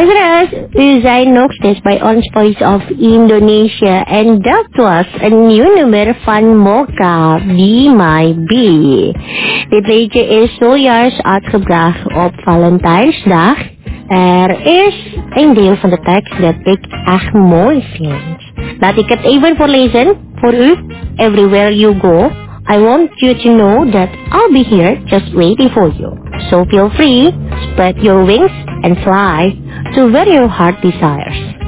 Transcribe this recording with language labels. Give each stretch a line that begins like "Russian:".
English: Noxness by Orange Voice of Indonesia, and that was a new number Fun Mocha, Be My Be. The pleasure is so yours,
Dutch: uitgebracht op Valentijnsdag. Er is een deel van de tekst dat ik echt mooi vind. Laat ik het even voorlezen voor u.
English: Everywhere you go, I want you to know that I'll be here just waiting for you. So feel free, spread your wings and fly to where your heart desires.